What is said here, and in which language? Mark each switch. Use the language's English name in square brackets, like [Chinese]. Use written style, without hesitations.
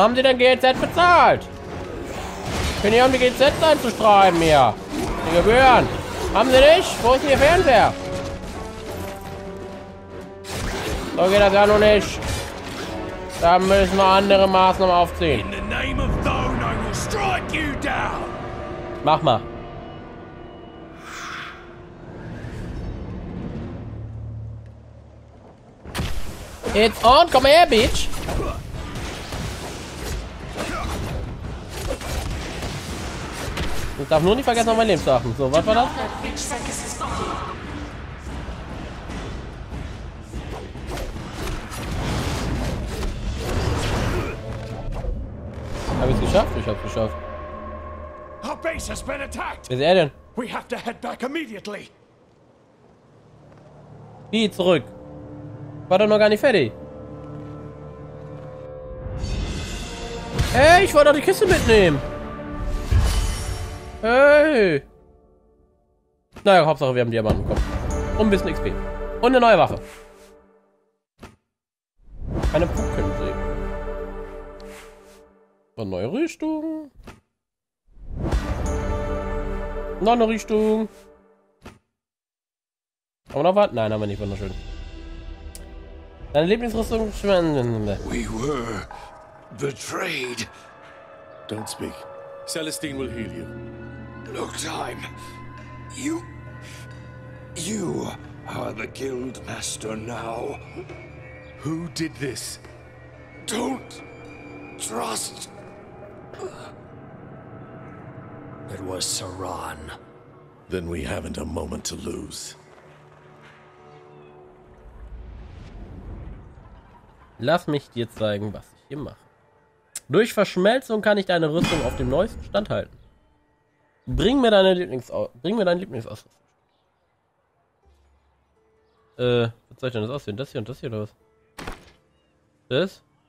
[German] Haben Sie denn GZ bezahlt? Können Sie um die GZ einzustreiben hier? Die Gebühren. Haben Sie nicht? Wo ist Ihr Fernseher? So geht das ja noch nicht. Da müssen wir andere Maßnahmen aufziehen. [English] In the name of Thorn, I will strike you down. [German] Mach mal. [English] It's on, [German] komm her, [English] Bitch! [German] Ich darf nur nicht vergessen, noch mein Leben zu achten. So, was war das? Hab ich's geschafft? Ich hab's geschafft. [English] Our base has been attacked. [German] Wer ist er denn? [English] We have to head back immediately. [German] Wie zurück? War doch noch gar nicht fertig. Hey, ich wollte doch die Kiste mitnehmen. Hey. Naja, Hauptsache, wir haben Diamanten bekommen. Und ein bisschen XP. Und eine neue Waffe. Eine Pumpkönigin. Und eine neue Rüstung. Noch eine Rüstung. Haben wir noch was? Nein, haben wir nicht. Wunderschön. Deine Lieblingsrüstung schwende. [English] We were betrayed. Don't speak. Celestine will heal you. Look, time. You are the guild master now. Who did this? Don't trust. It was Saran. Then we haven't a moment to lose. [German] Lass mich dir zeigen, was ich hier mache. Durch Verschmelzung kann ich deine Rüstung auf dem neuesten Stand halten. Bring mir deine Lieblingsausrüstung. Was soll ich denn das aussehen? Das hier und das hier oder was? Das?